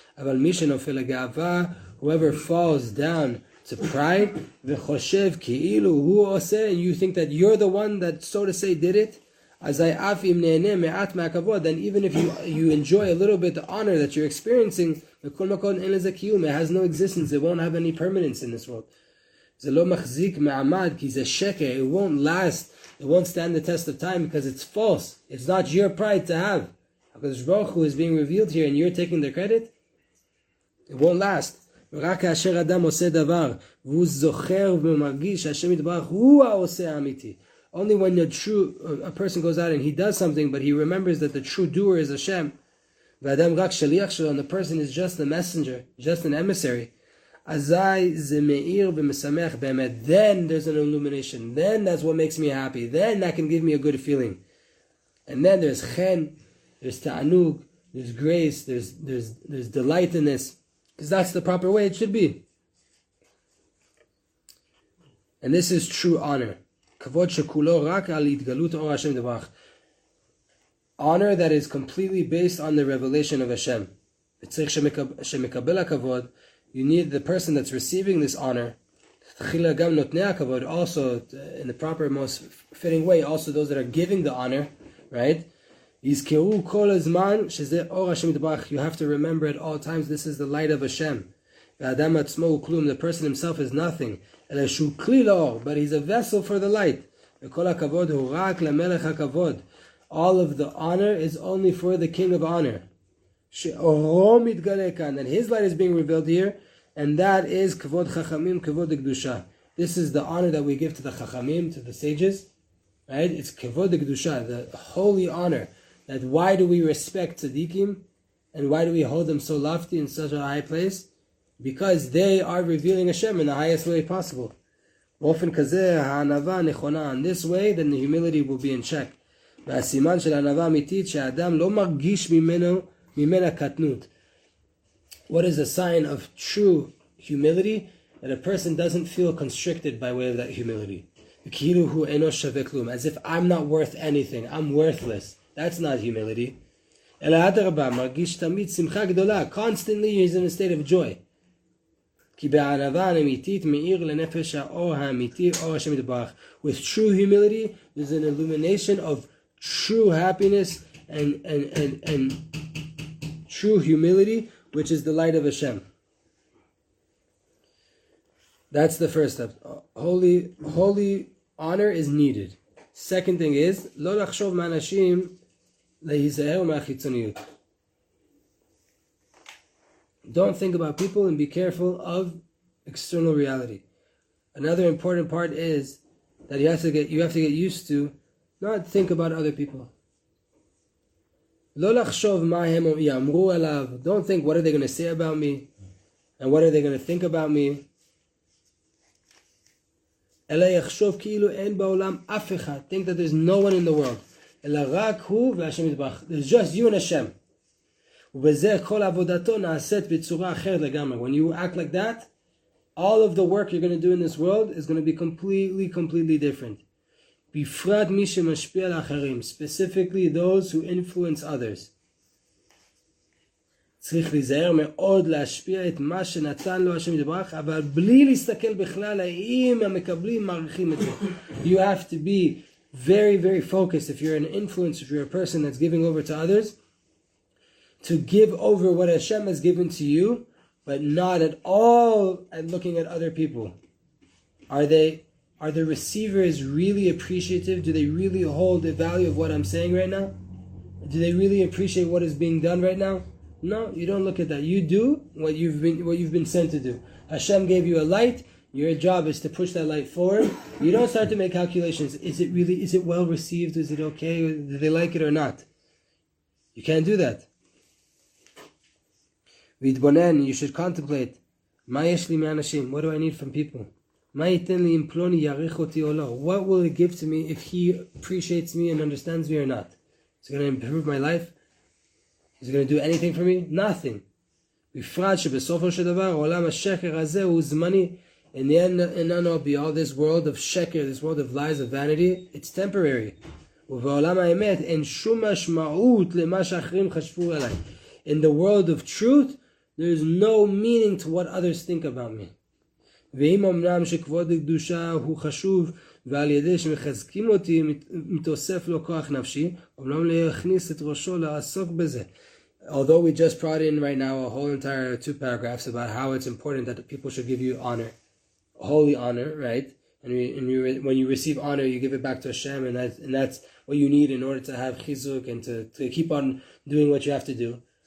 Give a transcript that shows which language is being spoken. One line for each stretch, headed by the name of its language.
Hebrew: Aval mishen ofel gaava,
English: whoever falls down to pride,
Hebrew: v'choshev ki'ilu hu oseh,
English: and you think that you're the one that, so to say, did it,
Hebrew: azay af im ne'eneh me'at me'akavod,
English: then even if you enjoy a little bit the honor that you're experiencing,
Hebrew: v'kol makon en lezeh kiyum,
English: it has no existence, it won't have any permanence in this world.
Hebrew: זה לא מחזיק מעמד כי זה שקר.
English: It won't last. It won't stand the test of time because it's false. It's not your pride to have. HaKadosh Baruch Hu is being revealed here and you're taking the credit? It won't last.
Hebrew: ורק כאשר אדם עושה דבר והוא זוכר ומרגיש שהשם יתברך הוא העושה האמיתי.
English: Only when a person goes out and he does something but he remembers that the true doer is Hashem.
Hebrew: ואדם רק שליח שלו,
English: and the person is just a messenger, just an emissary.
Hebrew: אזי זה מאיר ומשמח באמת.
English: Then there's an illumination. Then that's what makes me happy. Then that can give me a good feeling. And then there's chen, there's ta'anug, there's grace, there's delight in this. Because that's the proper way it should be. And this is true honor.
Hebrew: כבוד שכולו רק על התגלות אור השם דברך.
English: Honor that is completely based on the revelation of Hashem.
Hebrew: וצריך שמקבל הכבוד.
English: You need the person that's receiving this honor.
Hebrew: תחילה גם נותני הכבוד.
English: Also, in the proper, most fitting way, also those that are giving the honor, right?
Hebrew: יזכרו כל הזמן שזה אור השם יתברך.
English: You have to remember at all times, this is the light of Hashem.
Hebrew: והאדם עצמו הוא כלום.
English: The person himself is nothing.
Hebrew: אלא שהוא כלי לאור,
English: but he's a vessel for the light.
Hebrew: וכל הכבוד הוא רק למלך הכבוד.
English: All of the honor is only for the king of honor.
Hebrew: שאורו מתגלה כאן,
English: and his light is being revealed here, and that is
Hebrew: כבוד חכמים, כבוד הקדושה.
English: This is the honor that we give to the חכמים, to the sages, right? It's
Hebrew: כבוד הקדושה,
English: the holy honor. That why do we respect tzaddikim, and why do we hold them so lofty in such a high place? Because they are revealing Hashem in the highest way possible.
Hebrew: באופן כזה, הענווה נכונה.
English: In this way, then the humility will be in check.
Hebrew: והסימן של הענווה אמיתית, שהאדם לא מרגיש ממנו, ממנה קטנות.
English: What is a sign of true humility? That a person doesn't feel constricted by way of that humility.
Hebrew: כאילו הוא אינו שווה כלום.
English: As if I'm not worth anything. I'm worthless. That's not humility.
Hebrew: אלא אדרבה, מרגיש תמיד שמחה גדולה.
English: Constantly he's in a state of joy.
Hebrew: כי בענווה האמיתית מאיר לנפש האור האמיתי, אור השם יתברך.
English: With true humility, there's an illumination of true happiness and true humility, which is the light of Hashem. That's the first step. Holy honor is needed. Second thing is,
Hebrew: לא לחשוב מאנשים להיזהר מהחיצוניות.
English: Don't think about people and be careful of external reality. Another important part is that you have to get used to not think about other people.
Hebrew: לא לחשוב מה הם יאמרו עליו.
English: Don't think what are they going to say about me and what are they going to think about me.
Hebrew: אלא יחשוב כאילו אין בעולם אף אחד.
English: Think that there's no one in the world.
Hebrew: אלא רק הוא והשם יתברך.
English: There's just you and Hashem.
Hebrew: ובזה כל עבודתו נעשית בצורה אחרת לגמרי.
English: When you act like that, all of the work you're going to do in this world is going to be completely, completely different.
Hebrew: בפרט מי שמשפיע על אחרים,
English: specifically those who influence others.
Hebrew: צריך להיזהר מאוד להשפיע את מה שנתן לו השם יתברך, אבל בלי להסתכל בכלל האם המקבלים מעריכים את זה.
English: You have to be very, very focused if you're an influence, if you're a person that's giving over to others. To give over what Hashem has given to you, but not at all at looking at other people. Are the receivers really appreciative? Do they really hold the value of what I'm saying right now? Do they really appreciate what is being done right now? No, you don't look at that. You do what you've been sent to do. Hashem gave you a light. Your job is to push that light forward. You don't start to make calculations. Is it well received? Is it okay? Do they like it or not? You can't do that.
Hebrew: ויתבונן,
English: you should contemplate,
Hebrew: מה יש לי מאנשים?
English: What do I need from people?
Hebrew: מה ייתן לי אם פלוני יעריך אותי או לא?
English: What will he give to me if he appreciates me and understands me or not? Is he going to improve my life? Is he going to do anything for me? Nothing.
Hebrew: בפרט שבסופו של דבר, עולם השקר הזה הוא זמני.
English: In the end, be all this world of שקר, this world of lies, of vanity, it's temporary.
Hebrew: ובעולם האמת, אין שום משמעות למה שאחרים חשבו עליי.
English: In the world of truth, there is no meaning to what others think about me.
Hebrew: ואם אמנם שכבוד הקדושה הוא חשוב, ועל ידי שמחזקים אותי, מתוסף לו כוח נפשי, אמנם להכניס את ראשו לעסוק בזה.
English: Although we just brought in right now a whole entire two paragraphs about how it's important that the people should give you honor. holy honor, right? And when you receive honor, you give it back to Hashem, and that's what you need in order to have chizuk and to keep on doing what you have to do.